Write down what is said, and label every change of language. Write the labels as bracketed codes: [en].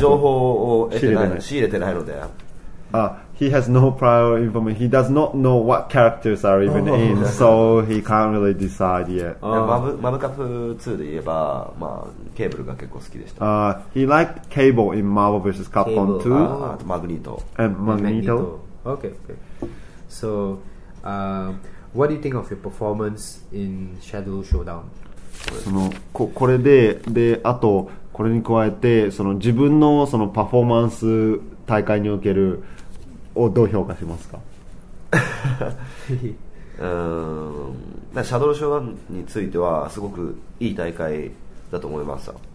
[ja] 情報を得てない仕入れてないので。 [en] He has no prior information. He does not know what characters are even in, so he can't really decide yet. [ja] マブカプ2で言えば、まあ、ケーブルが結構好きでした。 [en] He liked Cable in Marvel vs. Capcom 2. Magneto. And Magneto. Okay, okay. So, what do you think of your performance in Shadow Showdown? [ja] これで、あと、これに加えて、その自分のそのパフォーマンス大会におけるをどう評価しますか？シャドウショーダウンについてはすごくいい大会だと思いますよ。